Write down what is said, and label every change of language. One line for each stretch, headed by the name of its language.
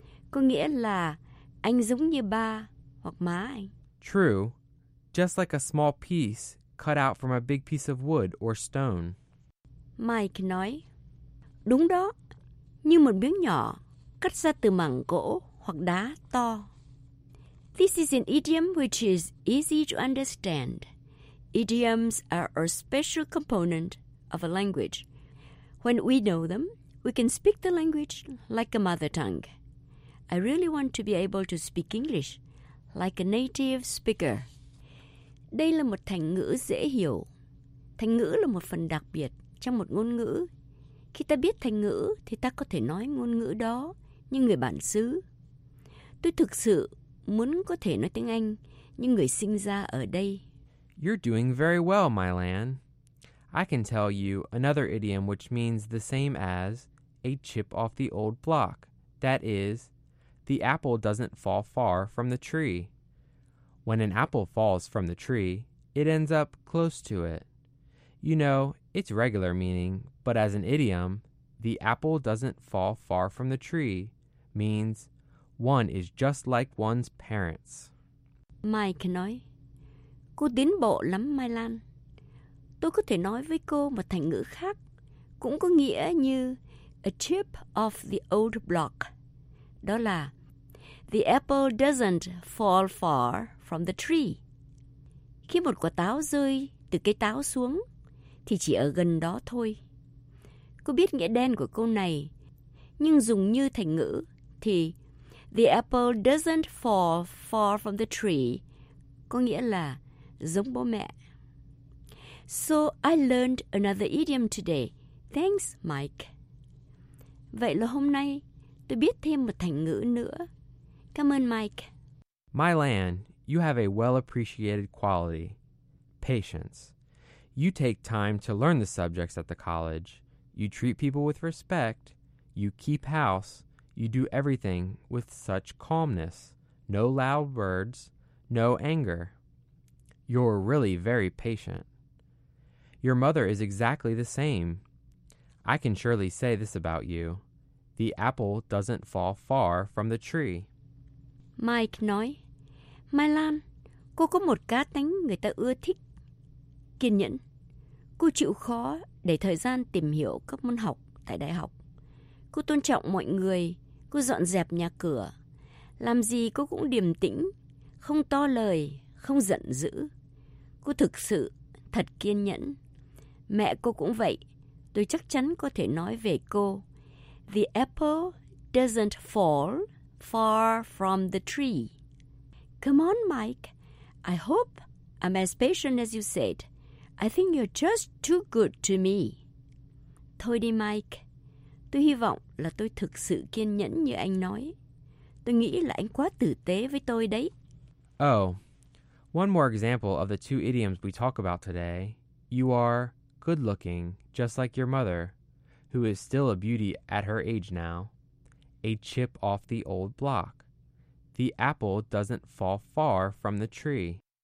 Vietnamese: Có nghĩa là anh giống như ba hoặc má anh.
English: True, just like a small piece cut out from a big piece of wood or stone.
Vietnamese: Mike nói, đúng đó, như một miếng nhỏ cắt ra từ mảng gỗ hoặc đá to.
English: This is an idiom which is easy to understand. Idioms are a special component of a language. When we know them, we can speak the language like a mother tongue. I really want to be able to speak English like a native speaker.
Vietnamese: Đây là một thành ngữ dễ hiểu. Thành ngữ là một phần đặc biệt trong một ngôn ngữ. Khi ta biết thành ngữ thì ta có thể nói ngôn ngữ đó như người bản xứ. Tôi thực sự muốn có thể nói tiếng Anh như người sinh ra ở đây.
English: You're doing very well, Mylan. I can tell you another idiom which means the same as a chip off the old block. That is, the apple doesn't fall far from the tree. When an apple falls from the tree, it ends up close to it. You know, it's regular meaning, but as an idiom, the apple doesn't fall far from the tree means one is just like one's parents.
Vietnamese: Mike nói, cô tiến bộ lắm, Mylan. Tôi có thể nói với cô một thành ngữ khác, cũng có nghĩa như
English: a chip off the old block.
Vietnamese: Đó là,
English: the apple doesn't fall far from the tree.
Vietnamese: Khi một quả táo rơi từ cây táo xuống, thì chỉ ở gần đó thôi. Cô biết nghĩa đen của câu này, nhưng dùng như thành ngữ thì
English: the apple doesn't fall far from the tree
Vietnamese: có nghĩa là giống bố mẹ.
English: So I learned another idiom today. Thanks, Mike.
Vietnamese: Vậy là hôm nay tôi biết thêm một thành ngữ nữa. Cảm ơn Mike.
English: Mylan, you have a well-appreciated quality, patience. You take time to learn the subjects at the college. You treat people with respect. You keep house. You do everything with such calmness. No loud words. No anger. You're really very patient. Your mother is exactly the same. I can surely say this about you. The apple doesn't fall far from the tree.
Vietnamese: Mike nói, Mylan, cô có một cá tính người ta ưa thích. Kiên nhẫn. Cô chịu khó để thời gian tìm hiểu các môn học tại đại học. Cô tôn trọng mọi người. Cô dọn dẹp nhà cửa. Làm gì cô cũng điềm tĩnh, không to lời, không giận dữ. Cô thực sự thật kiên nhẫn. Mẹ cô cũng vậy. Tôi chắc chắn có thể nói về cô.
English: The apple doesn't fall far from the tree. Come on, Mike. I hope I'm as patient as you said. I think you're just too good to me.
Vietnamese: Thôi đi, Mike. Tôi hy vọng là tôi thực sự kiên nhẫn như anh nói. Tôi nghĩ là anh quá tử tế với tôi đấy.
English: Oh, one more example of the two idioms we talk about today. You are good-looking, just like your mother, who is still a beauty at her age now. A chip off the old block. The apple doesn't fall far from the tree.